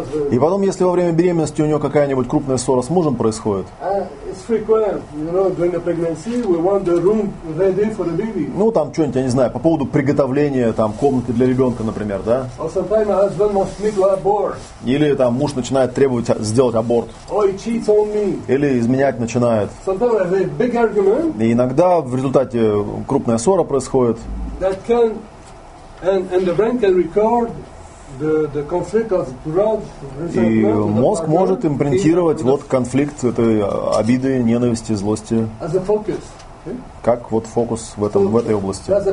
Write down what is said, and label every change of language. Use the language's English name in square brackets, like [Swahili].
[Russian] И потом, если во время беременности у нее какая-нибудь крупная ссора с мужем происходит, ну, там что-нибудь, я не знаю, по поводу приготовления там, комнаты для ребенка, например, да? [English] Or sometimes my husband wants me to abort. [Russian] Или там муж начинает требовать сделать аборт. [English] Or he cheats on me. [Russian] Или изменять начинает. [English] Sometimes a big argument, [Russian] и иногда в результате крупная ссора происходит. [English] That can, and the brain can record the conflict of grudge, resentment, [Russian] и мозг partner, может импринтировать вот конфликт этой обиды, ненависти, злости [English] as a focus, okay? [Russian] Как вот фокус в, этом, в этой области.